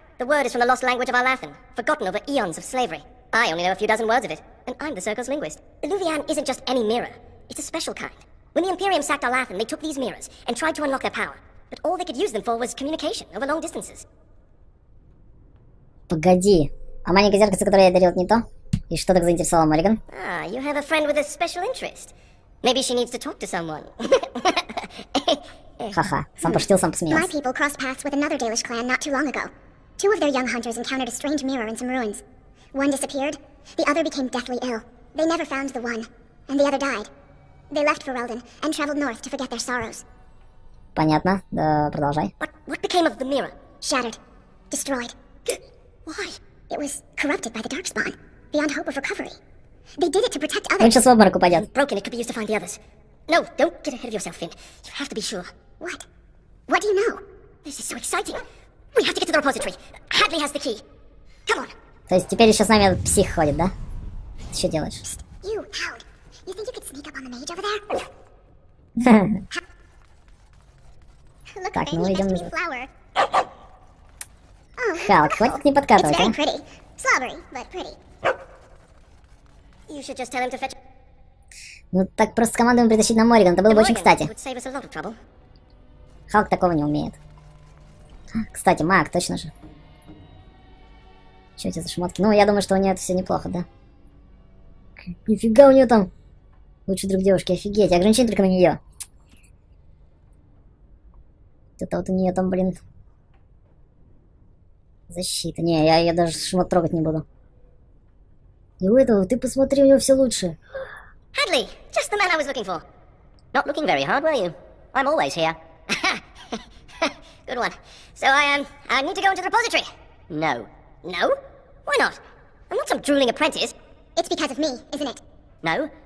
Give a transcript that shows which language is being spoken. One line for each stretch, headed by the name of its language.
English: The word is from the lost language of Arlathan, forgotten over eons of slavery. I only know a few dozen words of it, and I'm the circle's linguist. Illuvian isn't just any mirror. It's a special kind. When the Imperium sacked Arlathan, they took these mirrors and tried to unlock their power. But all they could use them for was communication over long distances.
Russian: Погоди. А маленькое зеркальце, которое я дарил, не то? И что так заинтересовало Морриган?
English: Ah, you have a friend with a special interest. Maybe she needs to talk to someone.
Russian: Ха-ха, сам пошутил, сам посмеялся.
English: My people crossed paths with another Dalish clan not too long ago. Two of their young hunters encountered a strange mirror in some ruins. One disappeared, the other became deathly ill. They never found the one, and the other died. They left Ferelden and traveled north to forget their sorrows.
Russian: Понятно, да, продолжай.
English: What became of the mirror? Shattered. Destroyed. Why? It was corrupted by the Darkspawn, beyond hope of recovery. They did it to protect others.
Russian: Он сейчас в обморок упадет.
English: Broken, it could be used to find the others. No, don't get ahead of yourself, Finn. You have to be sure. What? What do you know? This is so exciting. We have to get to the repository. Hadley has the key. Come on.
Russian: То есть теперь еще с нами этот псих ходит, да? Ты что делаешь?
English: Psst, you, Hald. You think you could sneak up on the mage over there?
Russian: Look, так, ну идем. Халк, хватит не подкатывать,
English: а? It's very pretty. Slobbery, but pretty. You should just tell him to fetch...
Russian: Ну так просто с командой притащить на Морриган, это было бы очень кстати. Халк такого не умеет. Кстати, маг, точно же. Чё у тебя за шмотки? Ну, я думаю, что у неё это всё неплохо, да? Нифига у неё там! Лучший друг девушки, офигеть, ограничение только на неё. Это вот у неё там, блин... защита. Не, я даже шмот трогать не буду. И у этого, ты посмотри, у него все лучше.
English: Hadley, just the man I was looking for. Not looking very hard, were you? I'm always here. Good one. So I need to go into the repository. No. No? Why not? I'm not some drooling apprentice. It's because of me, isn't it? No.